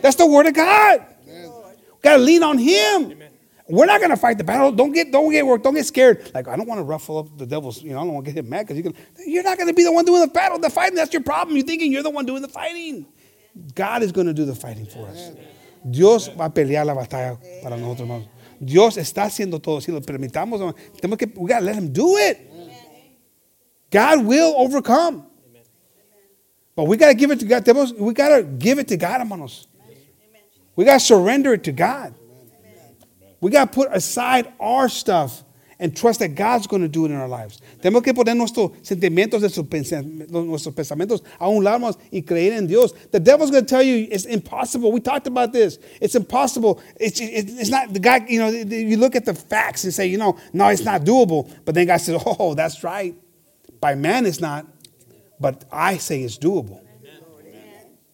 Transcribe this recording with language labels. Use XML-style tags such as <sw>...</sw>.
<en>That's the word of God. Amen. Gotta lean on Him. Amen. We're not gonna fight the battle. Don't get worked. Don't get scared. Like, I don't want to ruffle up the devil's, you know, I don't want to get him mad because you're not gonna be the one doing the battle, the fighting. That's your problem. You're thinking you're the one doing the fighting. God is gonna do the fighting for us. Amen.</en> <es>Dios va a pelear la batalla para nosotros, hermanos. Dios está haciendo todo. Si lo permitamos,</es> <en>we got to let Him do it. Amen. God will overcome. Amen. But we got to give it to God. We got to give it to God, hermanos. Amen. We got to surrender it to God. Amen. We got to put aside our stuff and trust that God's going to do it in our lives.</en> <es>Tenemos que poner nuestros sentimientos, nuestros pensamientos a un lado y creer en Dios.</es> <en>The devil's going to tell you it's impossible. We talked about this. It's impossible. It's not the guy, you know, you look at the facts and say, you know, no, it's not doable. But then God says, oh, that's right. By man it's not, but I say it's doable. Amen.</en>